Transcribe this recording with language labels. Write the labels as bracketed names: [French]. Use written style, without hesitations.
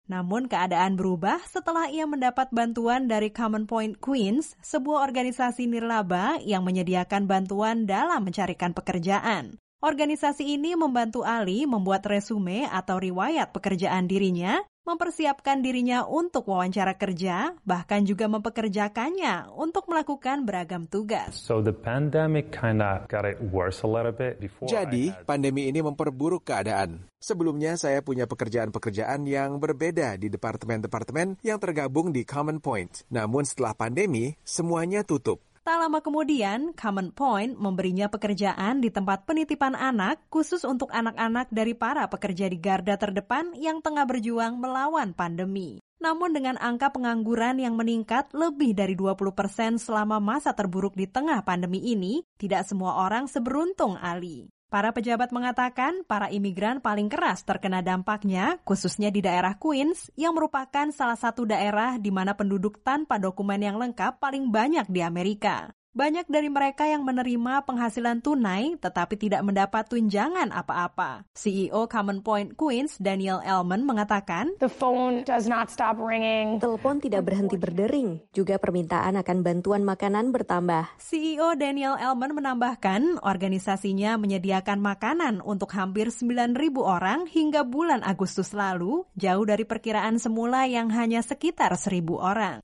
[Indonesian] Namun keadaan berubah setelah ia mendapat bantuan dari Common Point Queens, sebuah organisasi nirlaba yang menyediakan bantuan dalam mencarikan pekerjaan. Organisasi ini membantu Ali membuat resume atau riwayat pekerjaan dirinya, mempersiapkan dirinya untuk wawancara kerja, bahkan juga mempekerjakannya untuk melakukan beragam tugas. [English] So the pandemic kind of got it worse a little bit before. [Indonesian] Jadi, pandemi ini memperburuk keadaan. Sebelumnya saya punya pekerjaan-pekerjaan yang berbeda di departemen-departemen yang tergabung di Common Point. Namun setelah pandemi, semuanya tutup. Tak lama kemudian, Common Point memberinya pekerjaan di tempat penitipan anak khusus untuk anak-anak dari para pekerja di garda terdepan yang tengah berjuang melawan pandemi. Namun dengan angka pengangguran yang meningkat lebih dari 20% selama masa terburuk di tengah pandemi ini, tidak semua orang seberuntung Ali. Para pejabat mengatakan para imigran paling keras terkena dampaknya, khususnya di daerah Queens, yang merupakan salah satu daerah di mana penduduk tanpa dokumen yang lengkap paling banyak di Amerika. Banyak dari mereka yang menerima penghasilan tunai, tetapi tidak mendapat tunjangan apa-apa. CEO Common Point Queens, Daniel Elman, mengatakan, [English] "The phone does not stop ringing. [Indonesian] Telepon tidak berhenti berdering. Juga permintaan akan bantuan makanan bertambah." CEO Daniel Elman menambahkan, organisasinya menyediakan makanan untuk hampir 9.000 orang hingga bulan Agustus lalu, jauh dari perkiraan semula yang hanya sekitar 1.000 orang.